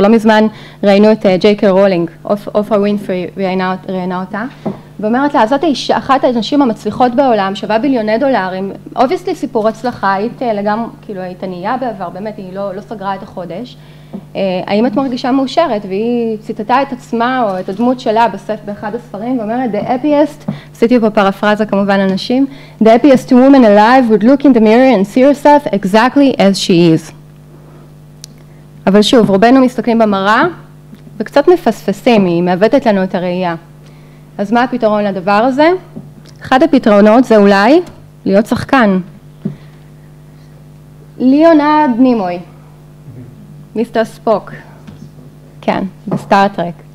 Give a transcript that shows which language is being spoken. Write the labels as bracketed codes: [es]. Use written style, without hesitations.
[he] לא מזמן ראינו את ג'יי.קיי. רולינג, אופרה ווינפרי ראינה אותה, ואומרת לה, זאת האישה, אחת האנשים המצליחות בעולם, שווה ביליוני דולרים, אובייסלי סיפור הצלחה, היית לגמרי, כאילו היית ענייה בעבר, באמת היא לא סגרה את החודש, האם את מרגישה מאושרת? והיא ציטטה את עצמה או את הדמות שלה באחד הספרים ואומרת, [en] the happiest, [he] עשיתי פה פרפרזה כמובן אנשים, [en] the happiest woman alive would look in the mirror and see herself exactly as she is. [he] אבל שוב, רובנו מסתכלים במראה וקצת מפספסים, היא מעוותת לנו את הראייה. אז מה הפתרון לדבר הזה? אחד הפתרונות זה אולי להיות שחקן. ליאונרד נימוי, מיסטר ספוק, כן, בסטארטרק.